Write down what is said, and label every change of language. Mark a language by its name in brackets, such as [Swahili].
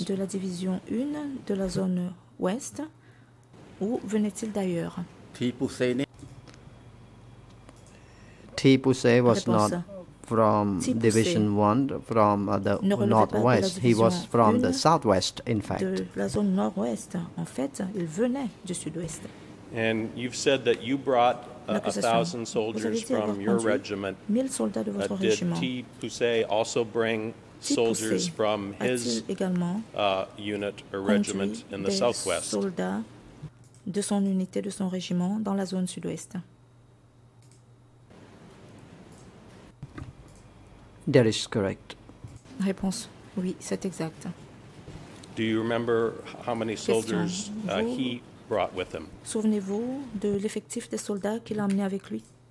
[French] De la division 1 de la zone ouest, ou venait-il d'ailleurs? [English] T. Poussey was not from Division 1, from the northwest. He was from the southwest, in fact. [French] De la zone nord-ouest. En fait, il venait du sud-ouest. [English] And you've said that you brought 1,000 soldiers from your regiment. [French] 1,000 soldats de votre régiment. [English] Did T. Poussey also bring soldiers from his unit or regiment in the southwest? [French] Soldats de son unité, de son régiment, dans la zone sud-ouest. [English] That is correct. [French] Réponse, oui, c'est exact. [English] Do you remember how many soldiers he brought with him? [French] Souvenez-vous de l'effectif des soldats qu'il a emmené avec lui?